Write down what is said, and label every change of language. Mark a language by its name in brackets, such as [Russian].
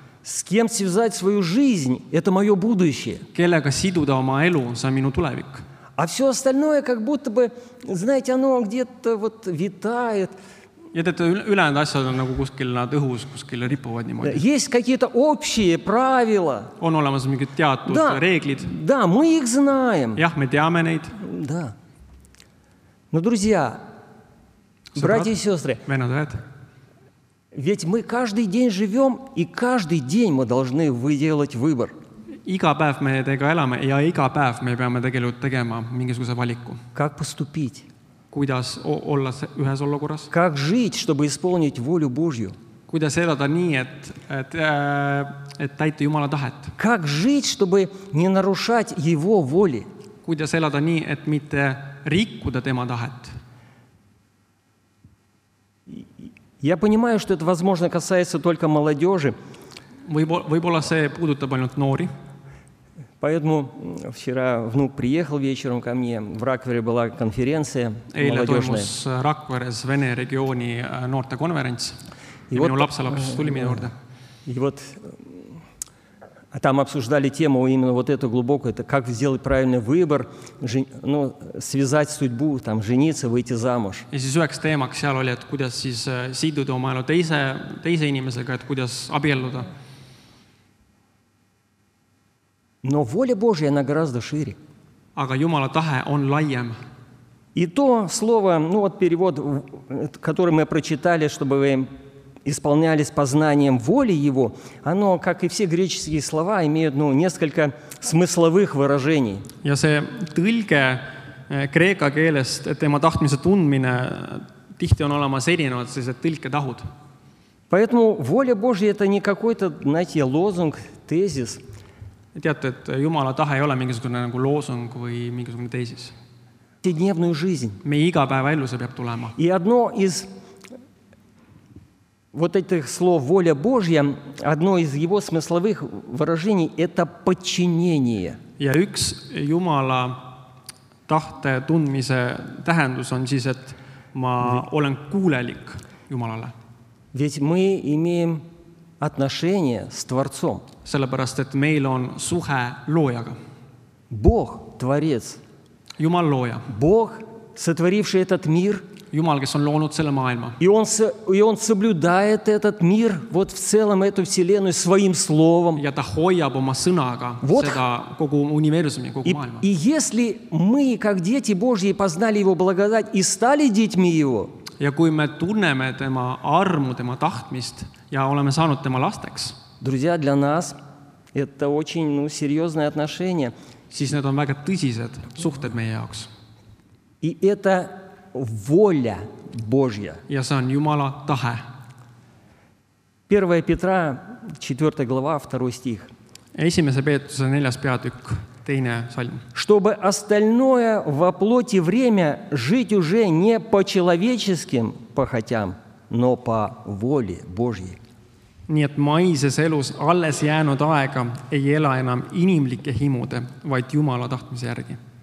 [Russian] С кем связать свою жизнь? Это мое будущее. [Estonian] Kellega siduda oma elu, see on minu tulevik. [Russian] А все остальное, как будто бы, знаете, оно где-то вот витает. [Estonian] Ja teate, ülejäänud asjad on nagu kuskil nad õhus, kuskil ripuvad niimoodi. [Russian] Есть какие-то общие правила. [Estonian] On olemas mingid teatud reeglid. [Russian] Да, мы их знаем. [Estonian] Jah, me teame neid. [Russian] Да. Но, друзья, братья и сестры, [Estonian] Venad, vähed. [Russian] Ведь мы каждый день живем, и каждый день мы должны выделать выбор. [Estonian] Iga päev me tega elame ja iga päev me peame tegelikult tegema mingisuguse valiku. [Russian] Как поступить? [Estonian] Kuidas olla ühes olukorras? [Russian] Как жить, чтобы исполнить волю Божью? [Estonian] Kuidas elada nii, et täita Jumala tahet? [Russian] Как жить, чтобы не нарушать Его воли? [Estonian] Kuidas elada nii, et mitte rikkuda tema tahet? [Russian] Я понимаю, что это, возможно, касается только молодежи. [Estonian] Võib-olla see puudutab ainult noori. [Russian] Поэтому вчера внук приехал вечером ко мне. В Раквере была конференция [Estonian] Eile [Russian] молодежная. [Estonian] Eile toimus Rakveres Vene regiooni noorte konverents. И minu lapselaps tuli minu juurde. [Russian] И вот там обсуждали тему именно вот эту глубокую, это как сделать правильный выбор, связать судьбу, там, жениться, выйти замуж. [Estonian] Ja siis üheks teemaks seal oli, et kuidas siis siduda oma elu teise inimesega, et kuidas abielluda. [Russian] Но воля Божия, она гораздо шире. [Estonian] Aga Jumala tahe on laiem. [Russian] И то слово, ну вот перевод, который мы прочитали, чтобы вы исполнялись познанием воли Его, оно, как и все греческие слова, имеет ну, несколько смысловых выражений. [Estonian] Ja see tõlge kreeka keelest, et tema tahtmise tundmine tihti on olema selinevad sellised tõlketahud. [Russian] Поэтому воля Божья – это не какой-то, знаете, лозунг, тезис. [Estonian] Teate, et Jumala tahe ei ole mingisugune nagu loosung või mingisugune teesis. [Russian] Повседневную жизнь. [Estonian] Meie igapäeva ellu see peab tulema. [Russian] И одно из вот этих слов «воля Божья», одно из его смысловых выражений – это подчинение. [Estonian] Ja üks Jumala tahte tundmise tähendus on siis, et ma olen kuulelik Jumalale. [Russian] Ведь мы имеем отношение с Творцом. [Estonian] Sellepärast, et meil on suhe loojaga. [Russian] Бог – Творец. [Estonian] Jumal looja. [Russian] Бог, сотворивший этот мир. [Estonian] Jumal, kes on loonud selle maailma. [Russian] И он соблюдает этот мир, вот в целом эту вселенную, своим словом. [Estonian] Ja ta hoiab oma sõnaga вот. Seda kogu universumi, kogu и, maailma. [Russian] И если мы, как дети Божьи, познали его благодать и стали детьми его, [Estonian] ja kui me tunneme tema armu, tema tahtmist ja oleme saanud tema lasteks. [Russian] Друзья, для нас это очень ну, серьезное отношение. [Estonian] Siis need on väga tõsised suhted meie jaoks. [Russian] И это воля Божья. [Estonian] Ja see on Jumala tahe. [Russian] 1 Петра, 4 глава, 2 стих. [Estonian] Esimese Peetuse 4. Peatükk. Teine salm. [Russian] Чтобы остальное во плоти время жить уже не по человеческим похотям, но по воле Божьей. [Estonian] Nii et maises elus alles jäänud aega ei ela enam inimlike himude, vaid Jumala tahtmise järgi.